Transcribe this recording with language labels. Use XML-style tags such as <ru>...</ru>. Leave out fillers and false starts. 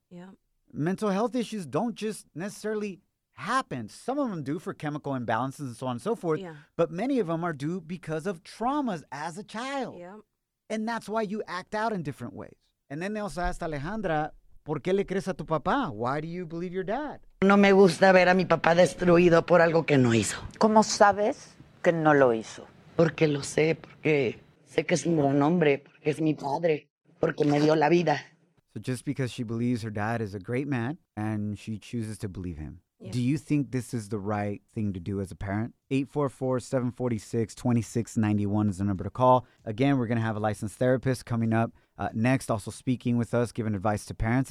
<en>Yeah. Mental health issues don't just necessarily happen. Some of them do for chemical imbalances and so on and so forth. Yeah. But many of them are due because of traumas as a child. Yeah. And that's why you act out in different ways. And then they also asked Alejandra,</en> <es>¿por qué le crees a tu papá?</es> <en>Why do you believe your dad?</en> <es>No me gusta ver a mi papá destruido por algo que no hizo. ¿Cómo sabes que no lo hizo? Porque lo sé, porque sé que es un gran hombre, porque es mi padre, porque me dio la vida.</es> <en>So just because she believes her dad is a great man and she chooses to believe him. Yeah. Do you think this is the right thing to do as a parent? 844-746-2691 is the number to call. Again, we're going to have a licensed therapist coming up next, also speaking with us, giving advice to parents.</en>